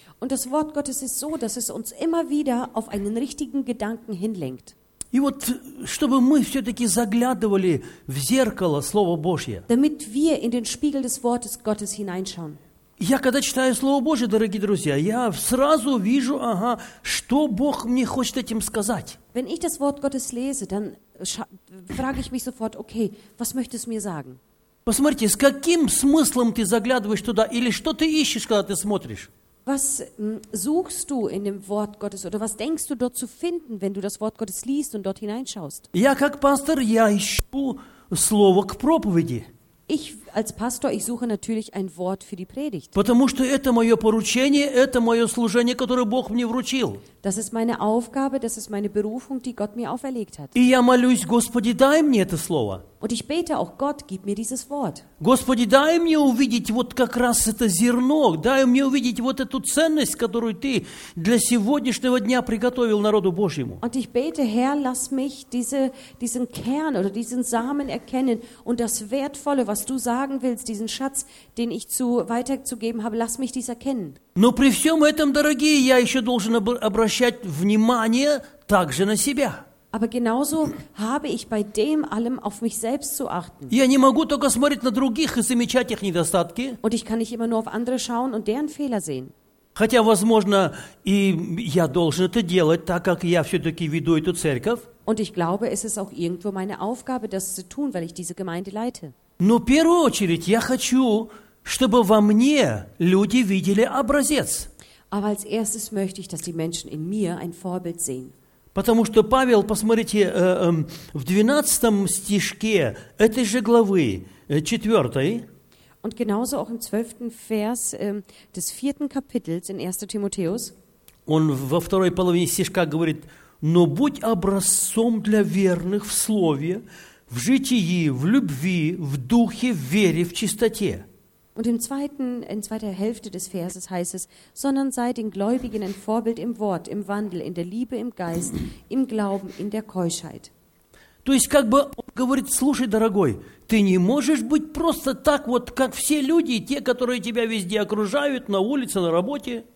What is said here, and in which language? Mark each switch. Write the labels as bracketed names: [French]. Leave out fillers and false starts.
[German] Und das Wort Gottes ist so, dass es uns immer wieder auf einen richtigen Gedanken hinlenkt. [Russian] И вот, чтобы мы все-таки заглядывали в зеркало Слово Божье. [German] Damit wir in den Spiegel des Wortes Gottes hineinschauen. [Russian] Я когда читаю Слово Божье, дорогие друзья, я сразу вижу, ага, что Бог мне хочет этим сказать. [German] Wenn ich das Wort Gottes lese, dann frage ich mich sofort, okay, was möchtest du mir sagen? [Russian] Посмотрите, с каким смыслом ты заглядываешь туда, или что ты ищешь, когда ты смотришь? [German] Was suchst du in dem Wort Gottes, oder was denkst du dort zu finden, wenn du das Wort Gottes liest und dort hineinschaust? [Russian] Я как пастор, я ищу Слово к проповеди. [German] Ich als Pastor, ich suche natürlich ein Wort für die Predigt. [Russian] Потому что это моё поручение, это моё служение, которое Бог мне вручил. [German] Das ist meine Aufgabe, das ist meine Berufung, die Gott mir auferlegt hat. [Russian] И я молюсь, Господи, дай мне это слово. [German] Und ich bete auch Gott, gib mir dieses Wort. [Russian] Господи, дай мне увидеть вот как раз это зерно, дай мне увидеть вот эту ценность, которую ты для сегодняшнего дня приготовил народу Божьему. [German] Und ich bete, Herr, lass mich diesen Kern oder diesen Samen erkennen und das Wertvolle, was du sagen willst, diesen Schatz, den ich weiterzugeben habe, lass mich dies erkennen. [Russian] Но при всем этом, дорогие, я еще должен обращать внимание также на себя. [German] Aber genauso habe ich bei dem allem auf mich selbst zu achten. [Russian] Я не могу только смотреть на других и замечать их недостатки. [German] Und ich kann nicht immer nur auf andere schauen und deren Fehler sehen. [Russian] Хотя, возможно, и я должен это делать, так как я все-таки веду эту церковь. [German] Und ich glaube, es ist auch irgendwo meine Aufgabe, das zu tun, weil ich diese Gemeinde leite. [Russian] Но в первую очередь я хочу, чтобы во мне люди видели образец. [German] Aber als erstes möchte ich, dass die Menschen in mir ein Vorbild sehen. [Russian] Потому что Павел, посмотрите, в 12 стишке этой же главы, 4. [German] Und genauso auch im 12. Vers des 4. Kapitels in 1. Timotheus. [Russian] Он во второй половине стишка говорит: «Но будь образцом для верных в слове, в житии, в любви, в духе, в вере, в чистоте». [German] Und in zweiter Hälfte des Verses heißt es, sondern sei den Gläubigen ein Vorbild im Wort, im Wandel, in der Liebe, im Geist, im Glauben, in der Keuschheit. [Russian] То есть, как бы он говорит, слушай, дорогой, ты не можешь быть просто так вот, как все люди, те, которые тебя везде окружают, на улице, на работе.